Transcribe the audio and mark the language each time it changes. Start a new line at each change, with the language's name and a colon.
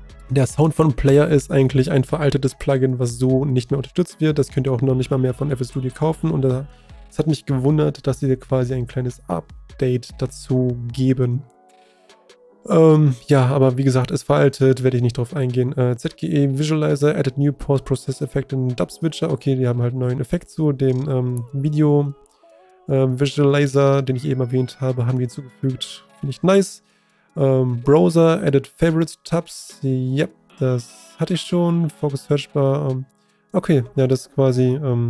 German: Der Sound von Player ist eigentlich ein veraltetes Plugin, was so nicht mehr unterstützt wird. Das könnt ihr auch noch nicht mal mehr von FL Studio kaufen. Und es hat mich gewundert, dass sie quasi ein kleines Update dazu geben. Ja, aber wie gesagt, ist veraltet, werde ich nicht drauf eingehen.
English: ZGE Visualizer added new post-process effect in Dub Switcher.
German: Okay, die haben halt einen neuen Effekt zu dem Video. Visualizer, den ich eben erwähnt habe, haben wir hinzugefügt. Finde ich nice. Browser, Edit Favorites Tabs. Yep, das hatte ich schon. Focus Search Bar. Okay, ja, das ist quasi.